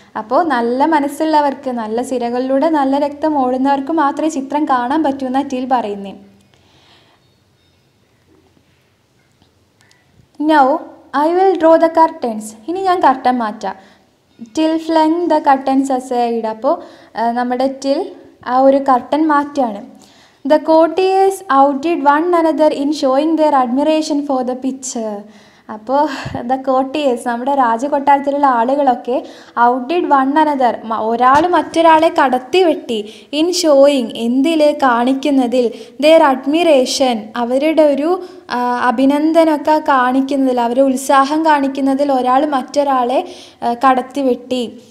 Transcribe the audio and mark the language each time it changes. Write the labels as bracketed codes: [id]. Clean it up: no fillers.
[ml] അപ്പോൾ നല്ല മനസ്സുള്ളവർക്ക്, നല്ല സിരകളിലൂടെ നല്ല രക്തം ഓടുന്നവർക്ക് മാത്രമേ ചിത്രം കാണാൻ പറ്റൂ എന്നാണ് ടീൽ പറയുന്നത്. [en] now I will draw the curtains, [ml] ഇനി ഞാൻ കർട്ടൻ മാറ്റാം. [en] Teal flung the curtains aside, [ml] അപ്പോൾ നമ്മുടെ ടിൽ ആ ഒരു കർട്ടൻ മാറ്റുകയാണ്. [en] The courtiers outdid one another in showing their admiration for the picture. [ml] അപ്പോൾ ദ കോട്ടിയേഴ്സ്, നമ്മുടെ രാജകൊട്ടാരത്തിലുള്ള ആളുകളൊക്കെ [en] outdid one another, [ml] ഒരാൾ മറ്റൊരാളെ കടത്തി വെട്ടി. [en] in showing, [ml] എന്തിൽ, കാണിക്കുന്നതിൽ. [en] their admiration, [ml] അവരുടെ ഒരു അഭിനന്ദനമൊക്കെ കാണിക്കുന്നതിൽ, അവരെ ഉത്സാഹം കാണിക്കുന്നതിൽ ഒരാൾ മറ്റൊരാളെ കടത്തി വെട്ടി.